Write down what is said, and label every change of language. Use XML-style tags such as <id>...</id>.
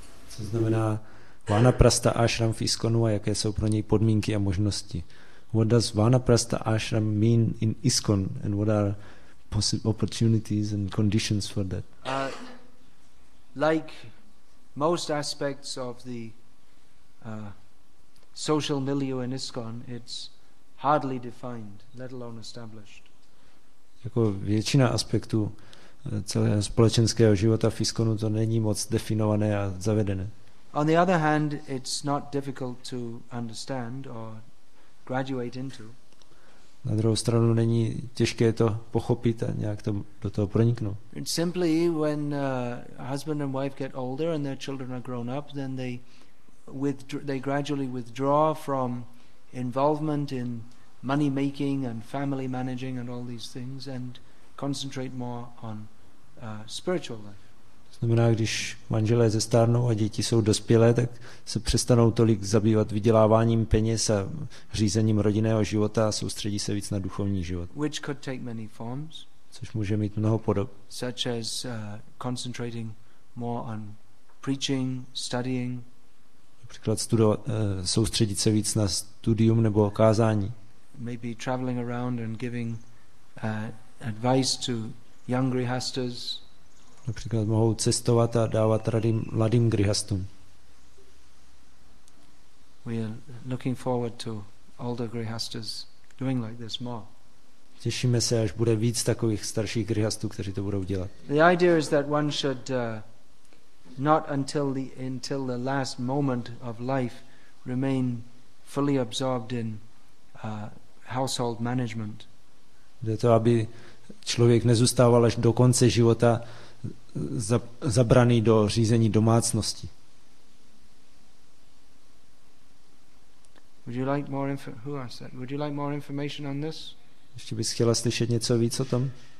<cs>Co znamená Vanaprastha Ashram v Iskonu a jaké jsou pro něj podmínky a možnosti?</cs> <en>What does Vanaprastha Ashram mean in Iskon and what are possible opportunities and conditions for that? Like most aspects of the social milieu in Iskon, it's hardly defined, let alone established.</en> <cs>Jako většina aspektů celého společenského života v Iskonu, to není moc definované a zavedené.</cs> <en>On the other hand, it's not difficult to understand or graduate into.</en> <cs>Na druhou stranu není těžké to pochopit a nějak to do toho proniknout.</cs> <en>It's simply when husband and wife get older and their children are grown up, then they gradually withdraw from involvement in money making and family managing and all these things and concentrate more on spiritual life.</en> <cs>To znamená, když manželé zestárnou a děti jsou dospělé, tak se přestanou tolik zabývat vyděláváním peněz a řízením rodinného života a soustředí se víc na duchovní život.</cs> <en>Which could take many forms,</en> <cs>což může mít mnoho podob.</cs> <en>Such as concentrating more on preaching, studying.</en> <cs>Například soustředit se víc na studium nebo kázání.</cs> <en>Maybe traveling around and giving advice to young grihasthas.</en> <cs>Například mohou cestovat a dávat rady mladým grihastům.</cs> <en>We are looking forward to older grihasthas doing like this more.</en> <cs>Těšíme se, až bude víc takových starších grihastů, kteří to budou dělat.</cs> <en>The idea is that one should not until the last moment of life remain fully absorbed in household management.</en> <cs>Jde to, aby člověk nezůstával až do konce života zabraný do řízení domácnosti.</cs> <en>Would you like more who asked that? Would you like more information on this?</en> <cs>Ještě bys chtěla slyšet něco víc o tom?</cs>